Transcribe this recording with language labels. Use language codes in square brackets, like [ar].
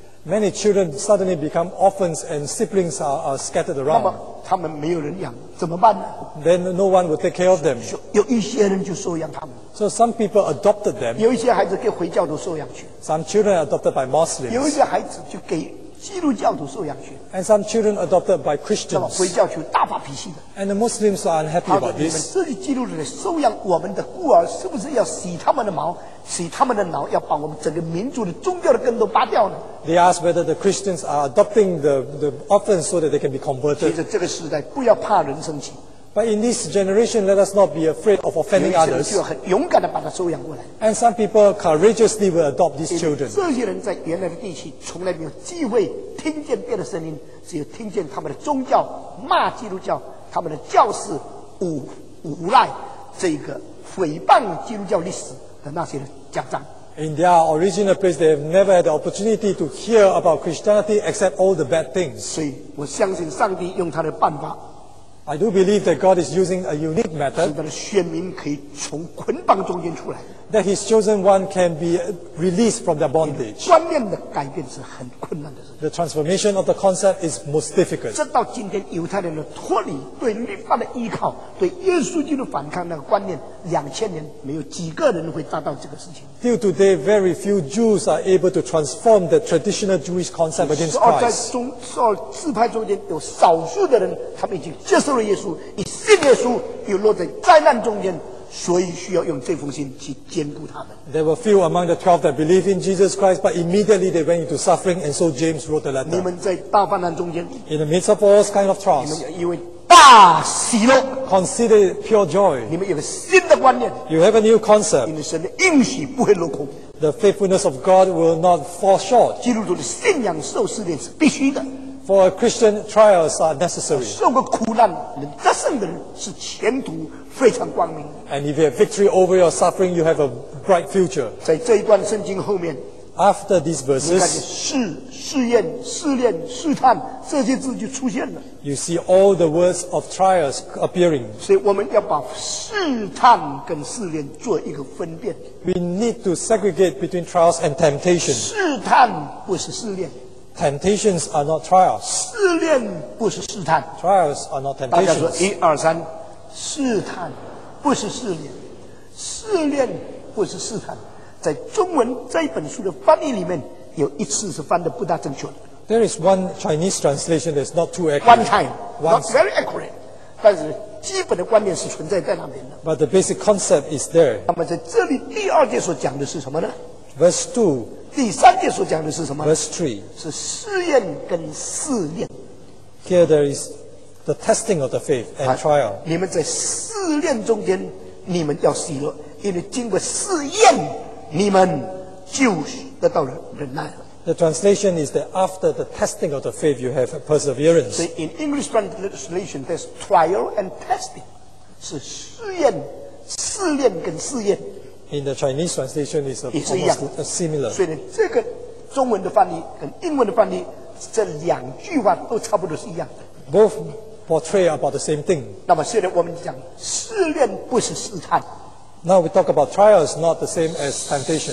[en] Many children suddenly become orphans and siblings are scattered around. [zh] 那么他们没有人养，怎么办呢？ [en] Then no one will take care of them. [zh] 有一些人就收养他们。 [en] So some people adopted them. [zh] 有一些孩子给回教徒收养去。 [en] Some children adopted by Muslims. [zh] 有一些孩子就给基督教徒收养去。 [en] And some children adopted by Christians. [zh] 那么回教徒大发脾气的。 [en] And the Muslims are unhappy about this. [zh] 你们这些基督徒来收养我们的孤儿，是不是要洗他们的毛，洗他们的脑，要把我们整个民族的宗教的根都拔掉呢？ [en] They ask whether the Christians are adopting the orphans so that they can be converted. [zh] 其实这个时代不要怕人生气。 [en] But in this generation, let us not be afraid of offending others. [zh] 有些人就很勇敢地把他收养过来。 [en] And some people courageously will adopt these children. [zh] 这些人在原来的地区从来没有机会听见别的声音，只有听见他们的宗教骂基督教，他们的教士诬赖这个诽谤基督教历史的那些讲章。 [en] In their original place, they have never had the opportunity to hear about Christianity except all the bad things. [zh] 所以我相信上帝用他的办法。 [en] I do believe that God is using a unique method. [zh] 使他的选民可以从捆绑中间出来。 [en] That His chosen one can be released from their bondage. [zh] 观念的改变是很困难的事。 [en] The transformation of the concept is most difficult. [zh] 直到今天，犹太人的脱离对律法的依靠，对耶稣基督反抗那个观念，2000年没有几个人会达到这个事情。 [en] Till today, very few Jews are able to transform the traditional Jewish concept against Christ. [zh] 12支派中间有少数的人，他们已经接受了耶稣，以信耶稣，又落在灾难中间。所以需要用这封信去兼顾他们。 [en] There were few among the 12 that believed in Jesus Christ, but immediately they went into suffering, and so James wrote the letter. [zh] 你们在大患难中间 [en] ，in the midst of all kind of trials, [zh] 你们以为大喜乐 [en] ，consider pure joy. [zh] 你们有个新的观念 [en] ，you have a new concept. [zh] 你们神的应许不会落空 [en] ，the faithfulness of God will not fall short. [zh] 基督徒的信仰受试炼是必须的。 [en] For a Christian, trials are necessary. [zh] 受过苦难能得胜的人是前途非常光明。 [en] And if you have victory over your suffering, you have a bright future. [zh] 在这一段圣经后面 [en] ，After these verses, [zh] 试验、试炼、试探这些字就出现了。 [en] You see all the words of trials appearing. [zh] 所以我们要把试探跟试炼做一个分辨。 [en] We need to segregate between trials and temptation. [zh] 试探不是试炼。 [en] Temptations are not trials. [zh] 试炼不是试探。 [en] Trials are not temptations. [zh] 大家说一二三，试探不是试炼，试炼不是试探。在中文这一本书的翻译里面，有一次是翻得不大正确。 [en] There is one Chinese translation that's not too accurate. One time, not very accurate, [zh] 但是基本的观念是存在在那边的。 [en] But the basic concept is there. [zh] 那么在这里第二节所讲的是什么呢？ [en] Verse 2. [zh] 第三节所讲的是什么？ [en] Verse 3. [zh] 是试验跟试炼。 [en] Here there is the testing of the faith and trial. [zh] 你们在试炼中间，你们要喜乐，因为经过试验，你们就得到了忍耐。 [en] The translation is that after the testing of the faith, you have a perseverance. So in English translation, there's trial and testing. [zh] 是试验、试炼跟试验。 [en] In the Chinese translation, it's almost similar. [zh] 所以这个中文的翻译跟英文的翻译，这两句话都差不多是一样的。 [en] Both portray about the same thing. [zh] 那么现在我们讲试炼不是试探。 [en] Now we talk about trials, not the same as temptation.